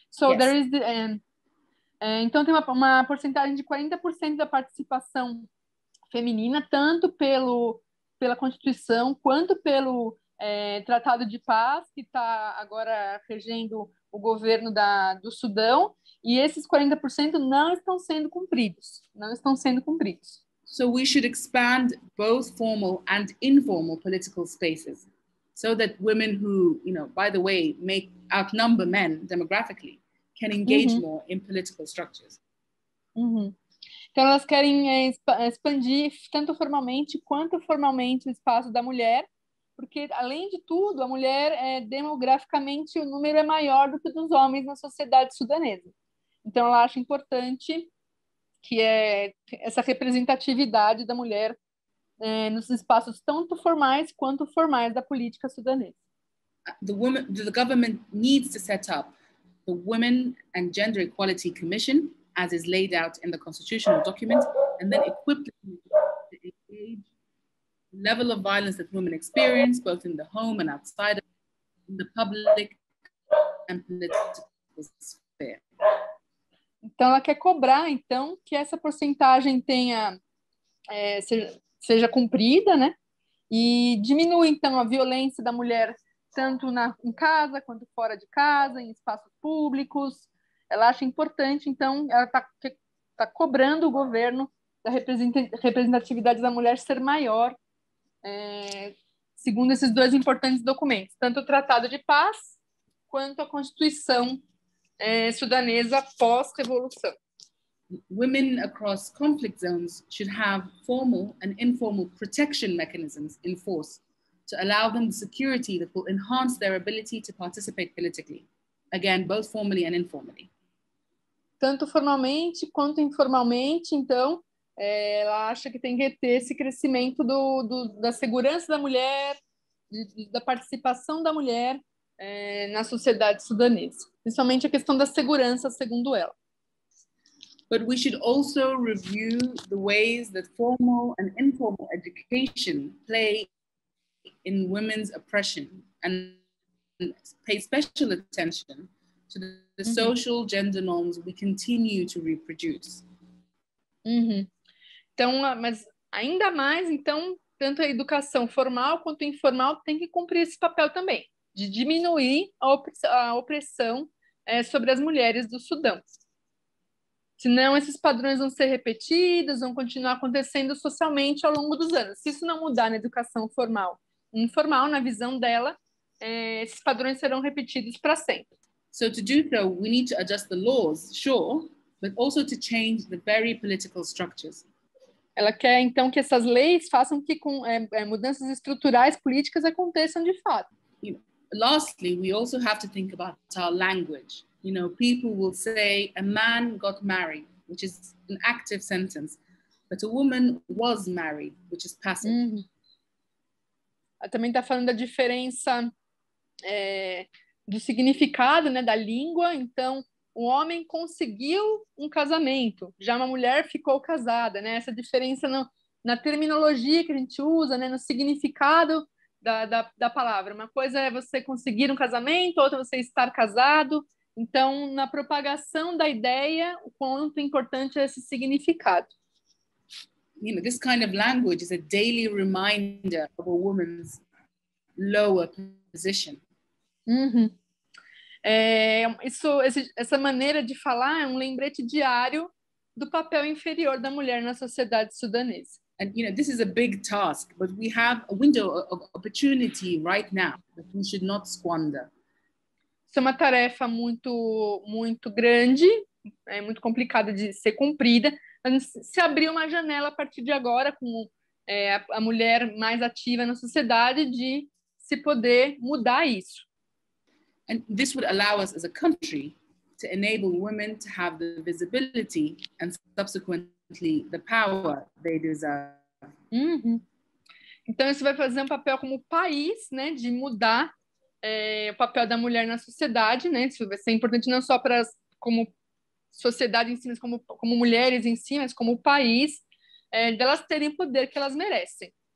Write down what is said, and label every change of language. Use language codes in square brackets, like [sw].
[en] So yes. There is the [pt] então tem uma porcentagem de 40% da participação feminina, tanto pela Constituição quanto pelo Tratado de Paz, que está agora regendo o governo do Sudão, e esses 40% não estão sendo cumpridos. Não estão sendo cumpridos. [en] So we should expand both formal and informal political spaces, so that women who, you know, by the way, make outnumber men demographically, can engage more in political structures. [pt] Então elas querem expandir tanto formalmente quanto formalmente o espaço da mulher, porque, além de tudo, a mulher, demograficamente, o número é maior do que dos homens na sociedade sudanesa. Então, ela acha importante que essa representatividade da mulher nos espaços tanto formais quanto formais da política sudanesa. [en] The government needs to set up the Women and Gender Equality Commission, as is laid out in the constitutional document, and then equip the community to engage level of violence that women experience, both in the home and outside of the public and political sphere. [pt] Então, ela quer cobrar, então, que essa porcentagem tenha seja cumprida, né? E diminui, então, a violência da mulher, tanto em casa quanto fora de casa, em espaços públicos. Ela acha importante, então, ela tá cobrando o governo da representatividade da mulher ser maior, segundo esses dois importantes documentos, tanto o Tratado de Paz quanto a Constituição sudanesa pós-revolução. [en] Women across conflict zones should have formal and informal protection mechanisms in force to allow them the security that will enhance their ability to participate politically, again, both formally and informally. [pt] Tanto formalmente quanto informalmente, então, ela acha que tem que ter esse crescimento da segurança da mulher, da participação da mulher na sociedade sudanesa. Principalmente a questão da segurança, segundo ela. [en] But we should also review the ways that formal and informal education play in women's oppression and pay special attention to the social gender norms we continue to reproduce. [pt] Então, mas ainda mais, então, tanto a educação formal quanto informal tem que cumprir esse papel também, de diminuir a opressão sobre as mulheres do Sudão. Senão, esses padrões vão ser repetidos, vão continuar acontecendo socialmente ao longo dos anos. Se isso não mudar na educação formal e informal, na visão dela, esses padrões serão repetidos para sempre. [en] So, to do so, we need to adjust the laws, sure, but also to change the very political structures. [pt] Ela quer, então, que essas leis façam que com mudanças estruturais políticas aconteçam de fato. [en] Lastly, we also have to think about our language. You know, people will say a man got married, which is an active sentence, but a woman was married, which is passive. [pt] Ela também está falando da diferença do significado, né, da língua. Então, o homem conseguiu um casamento, já uma mulher ficou casada, né? Essa diferença na terminologia que a gente usa, né, no significado da palavra. Uma coisa é você conseguir um casamento, outra é você estar casado. Então, na propagação da ideia, o quanto importante é esse significado. [en] You know, this kind of language is a daily reminder of a woman's lower position. [pt] Essa maneira de falar é um lembrete diário do papel inferior da mulher na sociedade sudanesa. [en] And you know, this is a big task, but we have a window of opportunity right now that we should not squander. [pt] Isso é uma tarefa muito, muito grande, é muito complicada de ser cumprida. Se abrir uma janela a partir de agora, com a mulher mais ativa na sociedade, de se poder mudar isso. [en] And this would allow us as a country to enable women to have the visibility and subsequently the power they deserve. [pt] Então, isso vai fazer um papel como país, né, de mudar o papel da mulher na sociedade, né? Isso vai ser importante não só para como sociedade em si, mas como mulheres em si, mas como país, delas terem o poder que elas merecem.